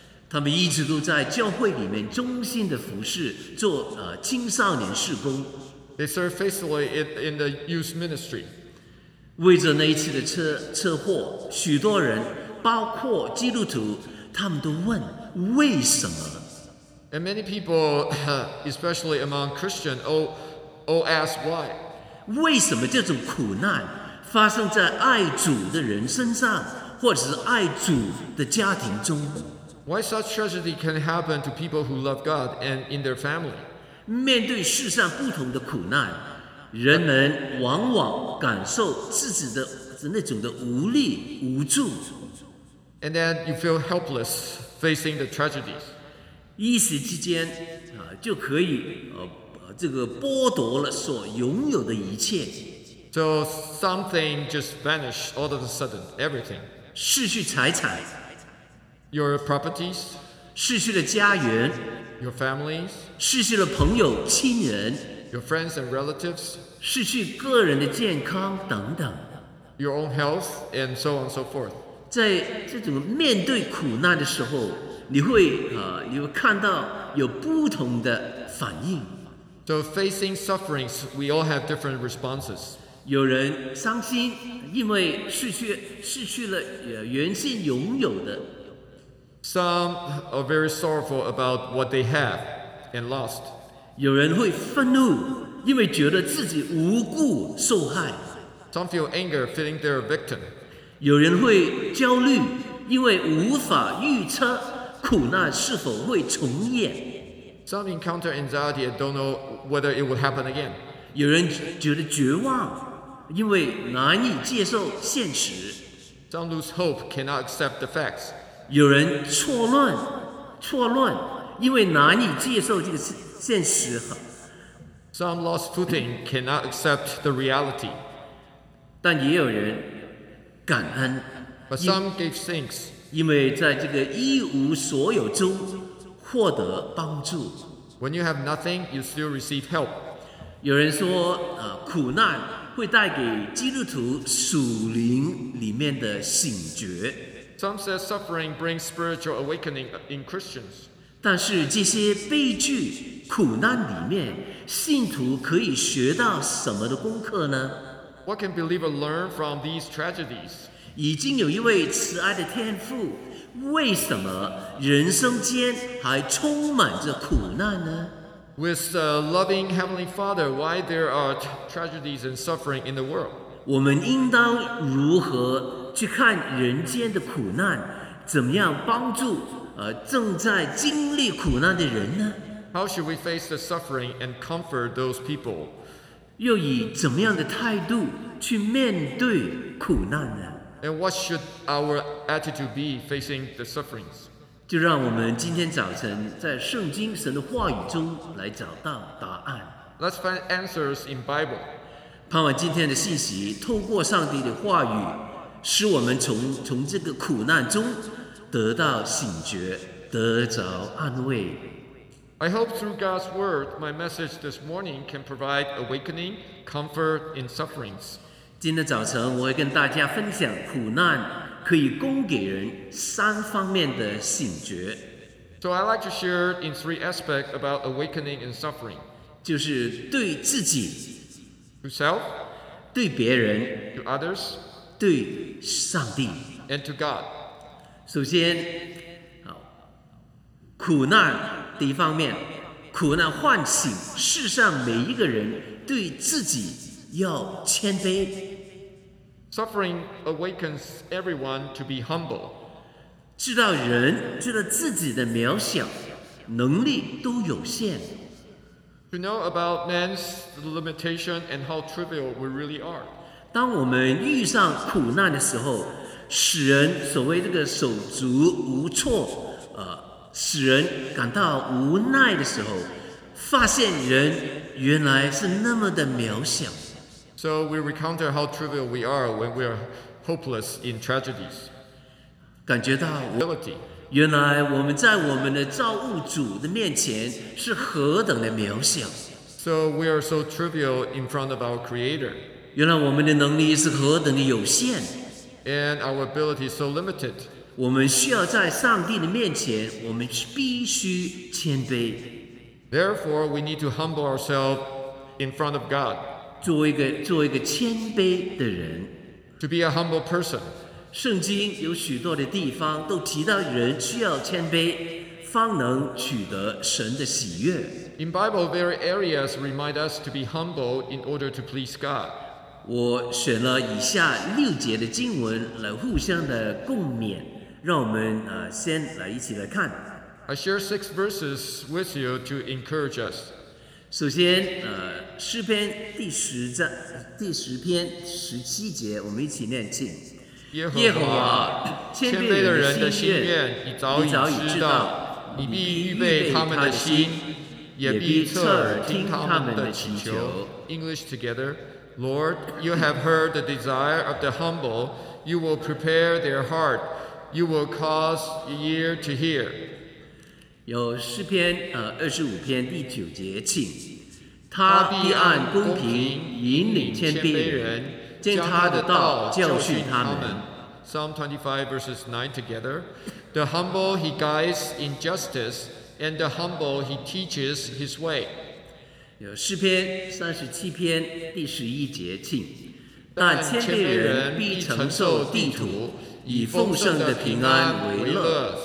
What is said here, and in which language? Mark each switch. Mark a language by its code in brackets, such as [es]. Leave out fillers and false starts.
[zh] 他们一直都在教会里面忠心的服事，做青少年事工。 [en] They serve faithfully in the youth ministry. [zh] 为着那一次的车祸，许多人，包括基督徒，他们都问为什么。 [en] And many people, especially among Christians, ask why. [zh] 为什么这种苦难发生在爱主的人身上，或者是爱主的家庭中？ [en] Why such tragedy can happen to people who love God and in their family? [zh] 面对世上不同的苦难，人们往往感受自己的那种的无力无助。 [en] And then you feel helpless facing the tragedies. [zh] 一时之间就可以这个剥夺了所拥有的一切。 [en] So something just vanished all of a sudden, everything. [zh] 失去财产。 [en] Your properties. [zh] 失去了家园 [en] ，your family， [zh] 失去了朋友、亲人 [en] ，your friends and relatives， [zh] 失去个人的健康等等 [en] ，your own health and so on and so forth。 [zh] 在这种面对苦难的时候，你会看到有不同的反应。 [en] So facing sufferings, we all have different responses. [zh] 有人伤心，因为失去了原先拥有的。 [en] Some are very sorrowful about what they have and lost. [zh] 有人会愤怒，因为觉得自己无故受害。 [en] Some feel anger, feeling they're a victim. [zh] 有人会焦虑，因为无法预测苦难是否会重演。 [en] Some encounter anxiety and don't know whether it will happen again. [zh] 有人觉得绝望，因为难以接受现实。 [en] Some lose hope, cannot accept the facts. [zh] 有人错乱，因为难以接受这个现实。 [en] Some lost footing, cannot accept the reality. [zh] 但也有人感恩。 [en] But some gave thanks. [zh] 因为在这个一无所有中获得帮助。 [en] When you have nothing, you still receive help. [zh] 有人说，苦难会带给基督徒属灵里面的醒觉。 [en] Some say suffering brings spiritual awakening in Christians. [zh] 但是这些悲剧、苦难里面，信徒可以学到什么的功课呢？ [en] What can believers learn from these tragedies? [zh] 已经有一位慈爱的天父，为什么人生间还充满着苦难呢？ [en] With a loving Heavenly Father, why there are tragedies and suffering in the world? [zh] 我们应当如何去看人间的苦难，怎么样帮助正在经历苦难的人呢？ [en] How should we face the suffering and comfort those people? [zh] 又以怎么样的态度去面对苦难呢？ [en] And what should our attitude be facing the sufferings? [zh] 就让我们今天早晨在圣经神的话语中来找到答案。 [en] Let's find answers in Bible. [zh] 盼望今天的信息透过上帝的话语，使我们从这个苦难中得到醒觉，得着安慰。 [en] I hope through God's word, my message this morning can provide awakening, comfort in sufferings. [zh] 今天早晨我会跟大家分享苦难可以供给人三方面的醒觉。 [en] So I'd like to share in three aspects about awakening and suffering. [zh] 就是对自己 [en] To self [zh] 对别人 [en] To others [zh] 对上帝 [en] And to God. [zh] 首先苦难的一方面，苦难唤醒世上每一个人对自己要谦卑。 [en] Suffering awakens everyone to be humble. [zh] 知道人，知道自己的渺小，能力都有限。 [en] To know about man's limitation and how trivial we really are. [zh] 当我们遇上苦难的时候，使人所谓这个手足无措，使人感到无奈的时候，发现人原来是那么的渺小。 [en] So we encounter how trivial we are when we are hopeless in tragedies. [zh] 感觉到 [en] ability. [zh] 原来我们在我们的造物主的面前是何等的渺小。 [en] So we are so trivial in front of our Creator. [zh] 原来我们的能力是何等的有限。 [en] And our ability is so limited. [zh] 我们需要在上帝的面前，我们必须谦卑。 [en] Therefore, we need to humble ourselves in front of God. [zh] 做一个谦卑的人 [en] ，to be a humble person。 [zh] 圣经有许多的地方都提到人需要谦卑，方能取得神的喜悦。 [en] In Bible, various areas remind us to be humble in order to please God。 [zh] 我选了以下六节的经文来互相的共勉，让我们先来一起来看。 [en] I share six verses with you to encourage us。 [zh] 首先，诗篇第十篇十七节，我们一起念起。耶和华，谦卑的人的心愿，你早已知道。你必预备他们的心，也必侧耳听他们的祈求。 [en] English together, Lord, you have heard the desire of the humble. You will prepare their heart. You will cause ear to hear. [zh] 有诗篇25篇第九节，请他必按公平引领谦卑人，将他的道教训他们。 [en] Psalm 25 verses 9 together, the humble he guides in justice, and the humble he teaches his way. [zh] 有诗篇三十七篇第十一节，请但谦卑人必承受地土，以丰盛的平安为乐。